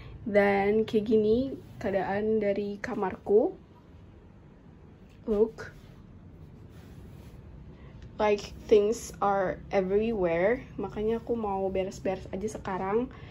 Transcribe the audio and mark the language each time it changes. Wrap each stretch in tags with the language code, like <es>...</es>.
<id>Dan kayak gini keadaan dari kamarku.</id> <en>Look. Like, things are everywhere.</en> <id>Makanya aku mau beres-beres aja sekarang.</id>